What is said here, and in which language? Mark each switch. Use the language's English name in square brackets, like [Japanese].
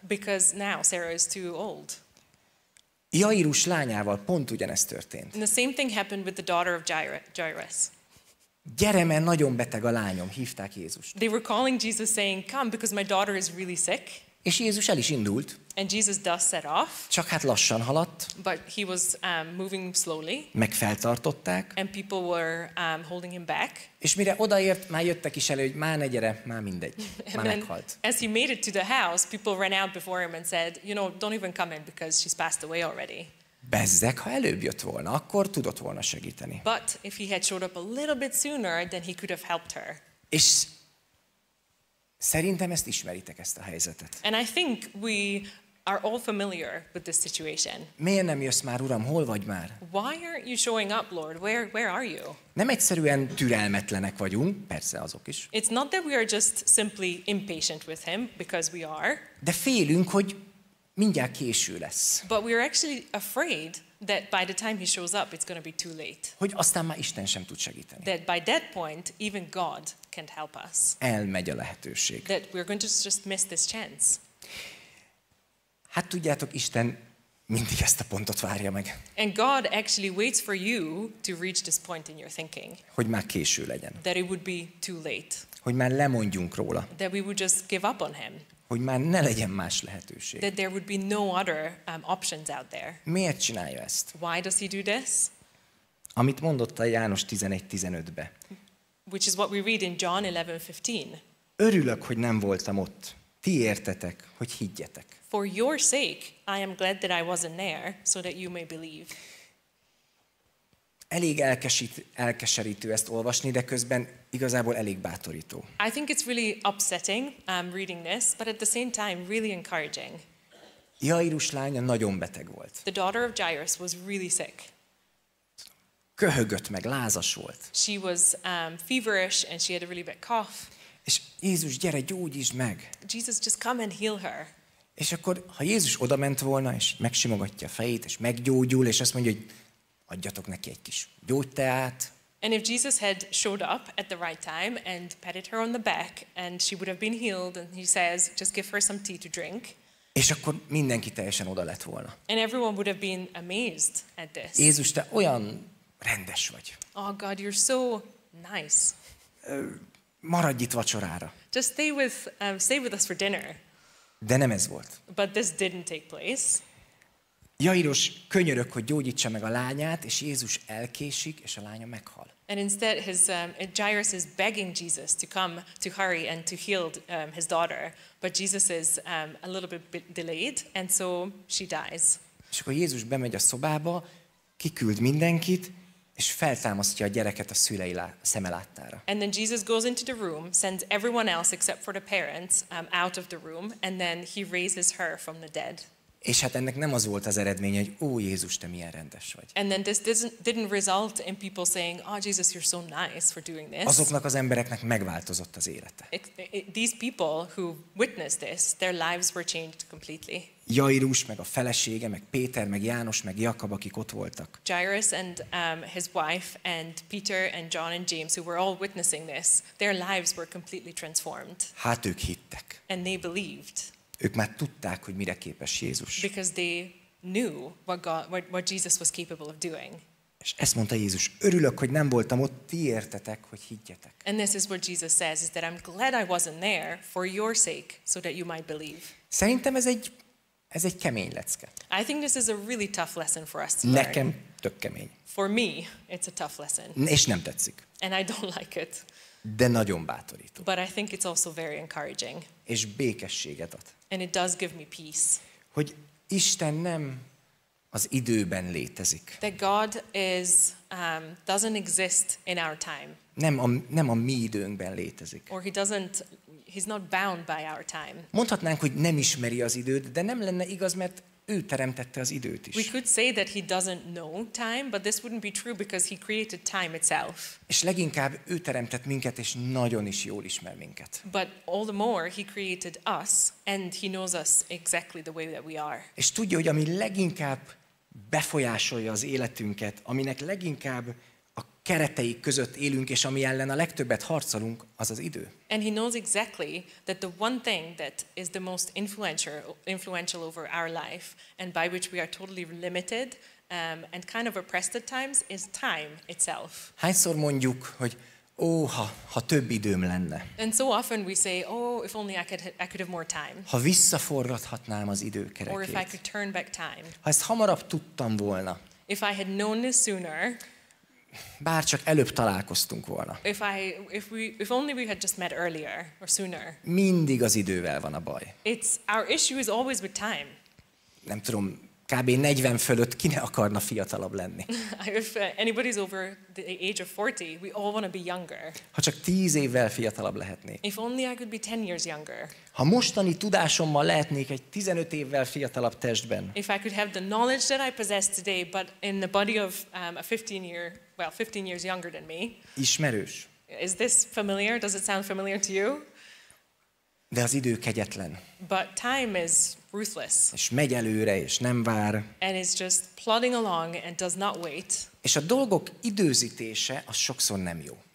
[English] Because now Sarah is too old. [Hungarian] Jairus lányával pont ugyanezt történt. [English] And the same thing happened with the daughter of Jairus. [Hungarian] Gyere, mert nagyon beteg a lányom, hívták Jézust. [English] They were calling Jesus saying, come, because my daughter is really sick. [Hungarian] És Jézus el is indult. [English] And Jesus does set off. [Hungarian] Csak hát lassan haladt. [English] But he was moving slowly. [Hungarian] Meg feltartották. [English] And people were holding him back. [Hungarian] És mire odaért, már jöttek is elő, hogy már ne gyere, már mindegy, már meghalt. [English] As he made it to the house, people ran out before him and said, you know, don't even come in because she's passed away already. [Hungarian] Bezzeg, ha előbb jött volna, akkor tudott volna segíteni. [English] But if he had showed up a little bit sooner, then he could have helped her. [Hungarian] És szerintem ezt ismeritek, ezt a helyzetet. [English] And I think we are all familiar with this situation. [Hungarian] Miért nem jössz már, Uram, hol vagy már? [English] Why aren't you showing up, Lord? Where are you? [Hungarian] Nem egyszerűen türelmetlenek vagyunk, persze azok is. [English] It's not that we are just simply impatient with him, because we are. [Hungarian] De félünk, hogy mindjárt késő lesz. [English] But we are actually afraid that by the time he shows up, it's going to be too late. [Hungarian] Hogy aztán már Isten sem tud segíteni. [English] That by that point, even God can't help us. [Hungarian] Elmegy a lehetőség. [English] That we are going to just miss this chance. [Hungarian] Hát tudjátok, Isten mindig ezt a pontot várja meg. [English] And God actually waits for you to reach this point in your thinking. [Hungarian] Hogy már késő legyen. [English] That it would be too late. [Hungarian] Hogy már lemondjunk róla. [English] That we would just give up on him. [Hungarian] Hogy már ne legyen más lehetőség. [English] That there would be no other options out there. [Hungarian] Miért csinálja ezt? [English] Why does he do this? [Hungarian] Amit mondott a János 11:15-be. [English] Which is what we read in John 11:15. [Hungarian] Örülök, hogy nem voltam ott. Ti értetek, hogy higgyetek. [English] For your sake, I am glad that I wasn't there, so that you may believe. [Hungarian] Elég elkeserítő ezt olvasni, de közben igazából elég bátorító. [English] I think it's really upsetting reading this, but at the same time really encouraging. [Hungarian] Jairus lánya nagyon beteg volt. [English] The daughter of Jairus was really sick. [Hungarian] Köhögött meg, lázas volt. [English] She was feverish and she had a really bad cough. [Hungarian] És Jézus, gyere, gyógyítsd meg. [English] Jesus, just come and heal her. [Hungarian] És akkor, ha Jézus odament volna, és megsimogatja a fejét, és meggyógyul, és azt mondja, hogy adjatok neki egy kis gyógyteát. [English] And if Jesus had showed up at the right time and patted her on the back, and she would have been healed, and he says, just give her some tea to drink. [Hungarian] És akkor mindenki teljesen oda lett volna. [English] And everyone would have been amazed at this. [Hungarian] Jézus, te olyan rendes vagy. [English] Oh God, you're so nice. [Hungarian] Maradj itt vacsorára. [English] Just stay with us for dinner. [Hungarian] De nem ez volt. [English] But this didn't take place. [Hungarian] Jairus könyörög, hogy gyógyítsa meg a lányát, és Jézus elkésik, és a lánya meghal. [English] And instead Jairus is begging Jesus to come to hurry and to heal his daughter, but Jesus is a little bit delayed and so she dies. [Hungarian] És akkor Jézus bemegy a szobába, kiküld mindenkit, és feltámasztja a gyereket a szülei szeme láttára. [English] And then Jesus goes into the room, sends everyone else except for the parents out of the room, and then he raises her from the dead. [Hungarian] És hát ennek nem az volt az eredménye, hogy ó, Jézus, te milyen rendes vagy. [English] And then this didn't result in people saying, oh Jesus, you're so nice for doing this. [Hungarian] Azoknak az embereknek megváltozott az élete. [English] These people who witnessed this, their lives were changed completely. [Hungarian] Jairus, meg a felesége, meg Péter, meg János, meg Jakab, akik ott voltak. [English] Jairus and his wife and Peter and John and James, who were all witnessing this, their lives were completely transformed. [Hungarian] Hát ők hittek. [English] And they believed. [Hungarian] Ők már tudták, hogy mire képes Jézus. [English] Because they knew what Jesus was capable of doing. [Hungarian] És ezt mondta Jézus, örülök, hogy nem voltam ott, ti értetek, hogy higgyetek. [English] And this is what Jesus says, is that I'm glad I wasn't there for your sake, so that you might believe. [Hungarian] Szerintem ez egy kemény lecke. [English] I think this is a really tough lesson for us to learn. [Hungarian] Nekem tök kemény. [English] For me, it's a tough lesson. [Hungarian] És nem tetszik. [English] And I don't like it. [Hungarian] De nagyon bátorító. [English] But I think it's also very encouraging. [Hungarian] És békességet ad. [English] And it does give me peace. [Hungarian] Hogy Isten nem az időben létezik. [English] That God is doesn't exist in our time. [Hungarian] Nem a mi időnkben létezik. [English] Or he's not bound by our time. [Hungarian] Mondhatnánk, hogy nem ismeri az időt, de nem lenne igaz, mert Ő teremtette az időt is. [English] We could say that he doesn't know time, but this wouldn't be true because he created time itself. [Hungarian] És leginkább ő teremtett minket, és nagyon is jól ismer minket. [English] But all the more he created us and he knows us exactly the way that we are. [Hungarian] És tudja, hogy ami leginkább befolyásolja az életünket, aminek leginkább a keretei között élünk és ami ellen a legtöbbet harcolunk, az az idő. [English] And he knows exactly that the one thing that is the most influential over our life and by which we are totally limited and kind of oppressed at times is time itself. [Hungarian] Hányszor mondjuk, hogy ha több időm lenne. [English] And so often we say, oh, if only I could have more time. [Hungarian] Ha visszaforgathatnám az időkerekét. [English] Or if I could turn back time. [Hungarian] Ha ezt hamarabb tudtam volna. [English] If I had known this sooner. [Hungarian] Bár csak előbb találkoztunk volna. [English] If only we had just met earlier or sooner. [Hungarian] Mindig az idővel van a baj. [English] It's our issue is always with time. [Hungarian] Nem tudom, kb. 40 fölött ki ne akarna fiatalabb lenni. [English] If anybody's over the age of 40, we all want to be younger. [Hungarian] Ha csak 10 évvel fiatalabb lehetnék. [English] If only I could be 10 years younger. [Hungarian] Ha mostani tudásommal lehetnék egy 15 évvel fiatalabb testben. [English] If I could have the knowledge that I possess today, but in the body of a 15 years younger than me. [Hungarian] Ismerős. [English] Is this familiar? Does it sound familiar to you? [Hungarian] De az idő kegyetlen. [English] But time is ruthless. [Hungarian] És megy előre, és nem vár. [English] And is just plodding along and does not wait. [Hungarian] És a dolgok időzítése az sokszor nem jó.